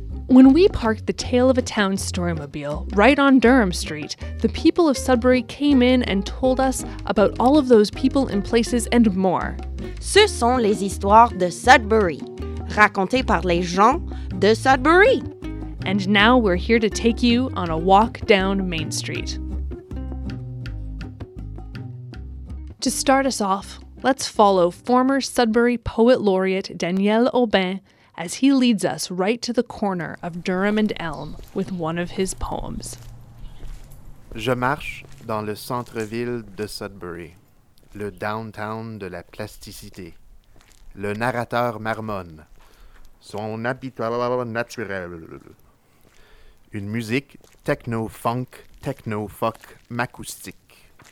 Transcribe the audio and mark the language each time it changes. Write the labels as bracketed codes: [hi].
[en] When we parked the Tale of a Town storymobile right on Durham Street, the people of Sudbury came in and told us about all of those people and places and more. [fr] Ce sont les histoires de Sudbury, racontées par les gens de Sudbury. [en] And now we're here to take you on a walk down Main Street. To start us off, let's follow former Sudbury poet laureate Daniel Aubin as he leads us right to the corner of Durham and Elm with one of his poems. [fr] Je marche dans le centre-ville de Sudbury, le downtown de la plasticité. Le narrateur marmonne, son habitat naturel. Une musique techno-funk, techno-fuck, macoustique.